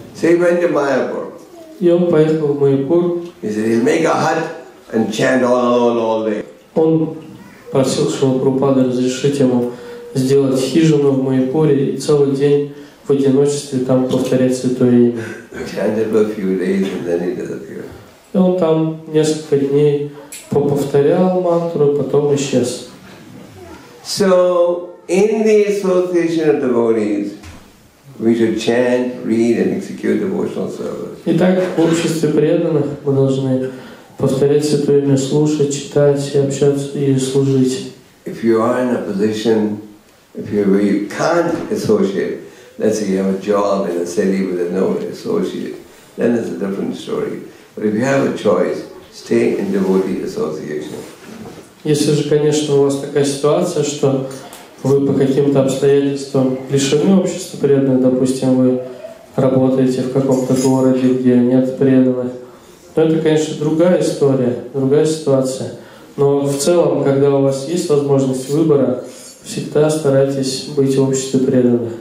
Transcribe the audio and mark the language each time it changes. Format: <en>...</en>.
<en>So he went to Mayapur.</en> <ru>И он поехал в Майпур.</ru> <en>He said he'll make a hut and chant all alone all day.</en> <ru>Он просил Шрилу Прабхупаду разрешить ему сделать хижину в Майпуре и целый день в одиночестве там повторять святое имя.</ru> <en>Chanted for a few days and then he disappeared.</en> <ru>И он там несколько дней повторял мантру, потом исчез.</ru> <en>So, in the association of devotees, we should chant, read, and execute devotional service.</en> <ru>Итак, в обществе преданных мы должны повторять святое имя, слушать, читать, общаться и служить.</ru> <en>If you are in a position, where you can't associate, let's say you have a job in a city where there's no associate, then it's a different story. But if you have a choice, stay in devotee association.</en> <ru>Если же, конечно, у вас такая ситуация, что вы по каким-то обстоятельствам лишены общества преданных, допустим, вы работаете в каком-то городе, где нет преданных, то это, конечно, другая история, другая ситуация. Но в целом, когда у вас есть возможность выбора, всегда старайтесь быть в обществе преданных.</ru>